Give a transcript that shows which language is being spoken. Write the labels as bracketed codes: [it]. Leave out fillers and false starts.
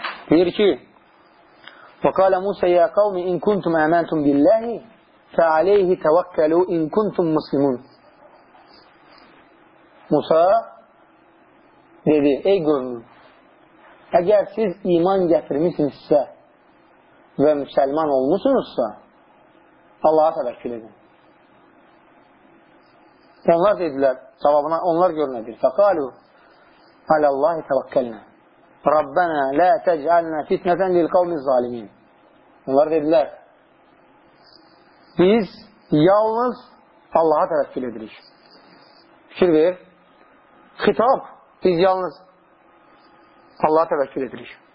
[az] Deyir ki, [ar] وَقَالَ مُوسَى يَا قَوْمِ اِنْ كُنْتُمْ اَمَنْتُمْ بِاللَّهِ فَعَلَيْهِ تَوَكَّلُوا اِنْ كُنْتُمْ مُسْلِمُونَ [az] Musa dedi, ey qövmün, əgər siz iman gətirmişsinizsə və müsəlman olmuşsunuzsa, Allaha təvəkkül edin. Onlar dedilər, cavabına onlar görünədir. [ar] فَقَالُوا عَلَى اللَّهِ تَوَكَّلْنَا رَبَّنَا لَا تَجْعَلْنَا فِتْنَةً لِلْقَوْمِ الظَّالِمِينَ [az] Onlar dedilər, biz yalnız Allaha təvəkkül edirik. Fikir ver, xitab, biz yalnız Allaha təvəkkül edirik.